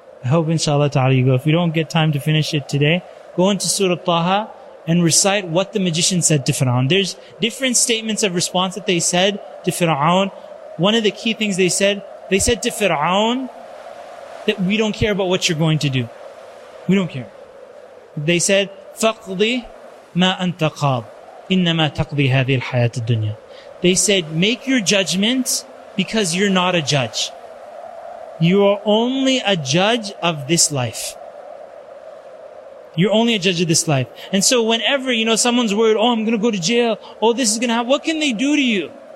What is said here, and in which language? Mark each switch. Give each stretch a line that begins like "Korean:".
English: I hope inshallah ta'ala you go. If you don't get time to finish it today, go into Surah Taha and recite what the magician said to Fir'aun. There's different statements of response that they said to Fir'aun. One of the key things they said to Fir'aun that we don't care about what you're going to do. We don't care. They said,
Arabic: فَقْضِ مَا أَنْتَ قَاضِ إِنَّمَا تَقْضِي هَذِي الْحَيَاةِ الدُّنْيَا.
English: They said, make your judgment because you're not a judge. You are only a judge of this life. You're only a judge of this life. And so whenever, you know, someone's worried, oh, I'm going to go to jail. Oh, this is going to happen. What can they do to you?